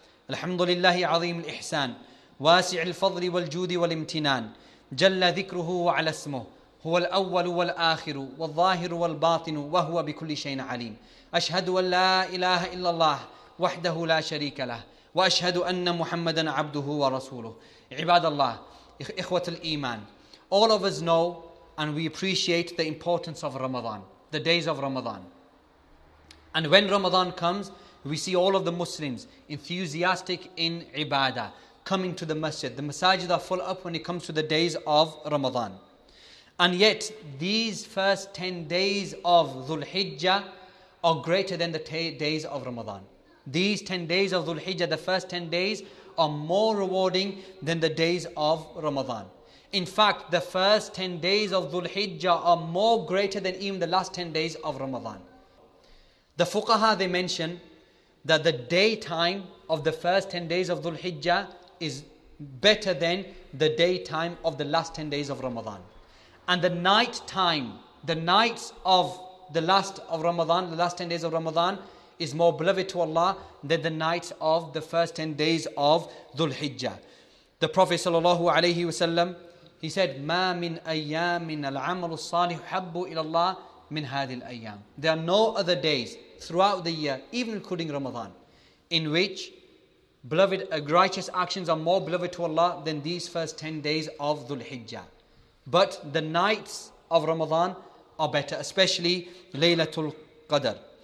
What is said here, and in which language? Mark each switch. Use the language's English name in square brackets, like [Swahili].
[English] Alhamdulillah, [Arabic] عظيم الإحسان. واسع الفضل والجود والامتنان جل ذكره وعلى اسمه هو الأول والآخر والظاهر والباطن وهو بكل شيء عليم أشهد أن لا إله إلا الله وحده لا شريك له وأشهد أن محمدا عبده ورسوله عباد الله إخوة الإيمان. [English] All of us know and we appreciate the importance of Ramadan, the days of Ramadan. And when Ramadan comes, we see all of the Muslims enthusiastic in ibadah, coming to the masjid. The masajid are full up when it comes to the days of Ramadan. And yet, these first 10 days of Dhul Hijjah are greater than the days of Ramadan. These 10 days of Dhul Hijjah, the first 10 days, are more rewarding than the days of Ramadan. In fact, the first 10 days of Dhul Hijjah are more greater than even the last 10 days of Ramadan. The fuqaha, they mention that the daytime of the first 10 days of Dhul Hijjah is better than the daytime of the last 10 days of Ramadan. And the night time, the nights of the last of Ramadan, the last 10 days of Ramadan, is more beloved to Allah than the nights of the first 10 days of Dhul Hijjah. The Prophet sallallahu alayhi wa sallam, he said, [Arabic] مَا مِنْ أَيَّامٍ الْعَمَلُ الصَّالِحُ حَبُّ إِلَى اللَّهِ مِنْ هَذِي الْأَيَّامِ. [English] There are no other days throughout the year, even including Ramadan, in which beloved righteous actions are more beloved to Allah than these first 10 days of Dhul Hijjah. But the nights of Ramadan are better, especially Laylatul Qadr.